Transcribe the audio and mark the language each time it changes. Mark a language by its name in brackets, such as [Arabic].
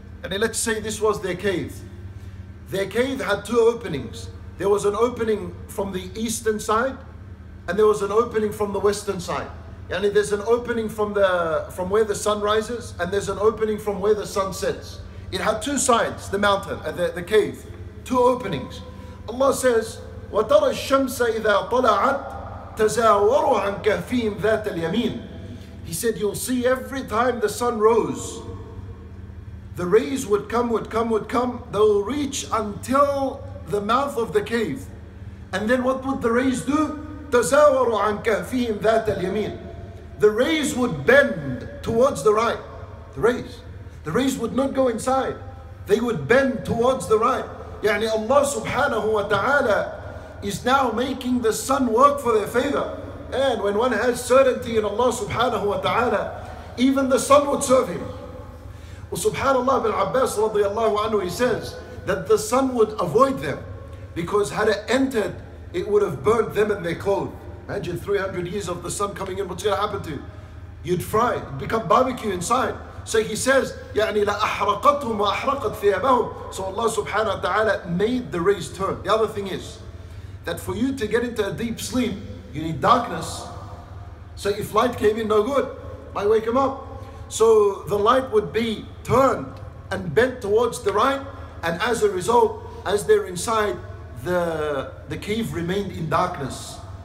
[English] And let's say this was their cave. Their cave had two openings. There was an opening from the eastern side and there was an opening from the western side. And there's an opening from where the sun rises and there's an opening from where the sun sets. It had two sides, the mountain, the cave, two openings. Allah says, [Arabic] وَتَرَى الشَّمْسَ إِذَا طَلَعَتْ تَزَاوَرُ عَنْ كَهْفِهِمْ ذَاتَ الْيَمِينَ. [English] He said, you'll see every time the sun rose, the rays would come, they'll reach until the mouth of the cave. And then what would the rays do? [Arabic] تَزَاوَرُ عَنْ كَهْفِهِمْ ذَاتَ الْيَمِينَ. [English] The rays would bend towards the right, The rays would not go inside. They would bend towards the right. Yani Allah subhanahu wa ta'ala is now making the sun work for their favor. And when one has certainty in Allah subhanahu wa ta'ala, even the sun would serve him. Well, subhanallah, bin Abbas radiallahu anhu, he says that the sun would avoid them because had it entered, it would have burnt them and their clothes. Imagine 300 years of the sun coming in, what's going to happen to you? You'd fry, it'd become barbecue inside. So he says, [Arabic] يَعْنِي لَأَحْرَقَتْهُمْ وَأَحْرَقَتْ ثِيَابَهُمْ. [English] So Allah subhanahu wa ta'ala made the rays turn. The other thing is, that for you to get into a deep sleep, you need darkness. So if light came in, no good, might wake him up. So the light would be turned and bent towards the right. And as a result, as they're inside, the cave remained in darkness.